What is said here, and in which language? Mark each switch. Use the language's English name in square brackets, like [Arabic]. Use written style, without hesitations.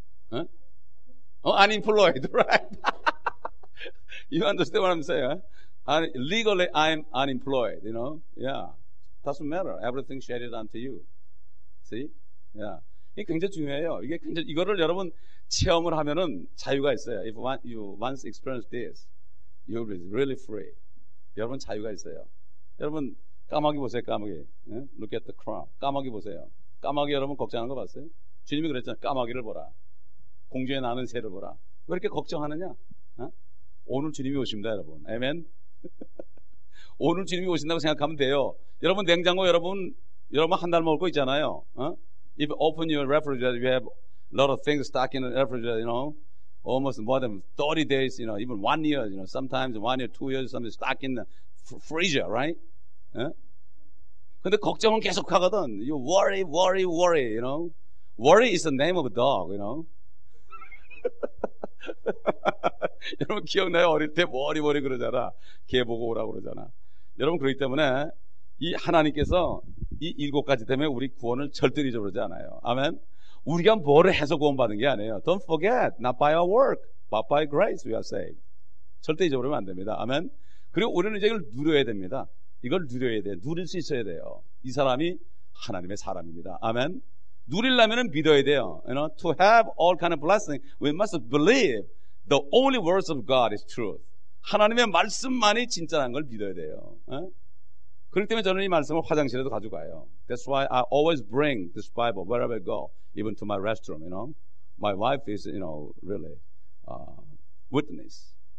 [English] 어? 어? Unemployed, right? You understand what I'm saying? Legally, I'm unemployed. You know? Yeah. Doesn't matter. Everything shared unto you. See? Yeah. [Korean] 이게 굉장히 중요해요. 이게 굉장히 이거를 여러분 체험을 하면은 자유가 있어요. [English] If you once experience this, you'll be really free. [Korean] 여러분 자유가 있어요. 여러분 까마귀 보세요. 까마귀. [English] Look at the crown. [Korean] 까마귀 보세요. 까마귀 여러분 걱정하는 거 봤어요? 주님이 그랬잖아요. 까마귀를 보라. 공중에 나는 새를 보라. 왜 이렇게 걱정하느냐? 어? 오늘 주님이 오십니다, 여러분. 아멘. 오늘 주님이 오신다고 생각하면 돼요. 여러분 냉장고 여러분 한 달 먹을 거 있잖아요. [English] 어? If you open your refrigerator, you have a lot of things stuck in the refrigerator, you know. Almost more than 30 days, you know, even 1 year, you know, sometimes 1 year, 2 years something stuck in the freezer, right? [Korean] 근데 걱정은 계속 하거든. [English] You worry, worry, worry, you know. Worry is the name of a dog, you know. [Korean] 여러분 기억나요? 어릴 때 머리 머리 그러잖아. 개 보고 오라고 그러잖아. 여러분 그렇기 때문에 이 하나님께서 이 일곱 가지 때문에 우리 구원을 절대 잊어버리지 않아요. 아멘. 우리가 뭐를 해서 구원받은 게 아니에요. [English] Don't forget, not by our work, but by grace we are saved. [Korean] 절대 잊어버리면 안 됩니다. 아멘. 그리고 우리는 이제 이걸 누려야 됩니다. 이걸 누려야 돼. 누릴 수 있어야 돼요. 이 사람이 하나님의 사람입니다. 아멘. 누리려면 믿어야 돼요. [English] You know, to have all kind of blessing, we must believe the only words of God is truth. [Korean] 하나님의 말씀만이 진짜라는 걸 믿어야 돼요. 그렇기 때문에 저는 이 말씀을 화장실에도 가져가요. [English] That's why I always bring this Bible wherever I go, even to my restroom. You know, my wife is, you know, really witness.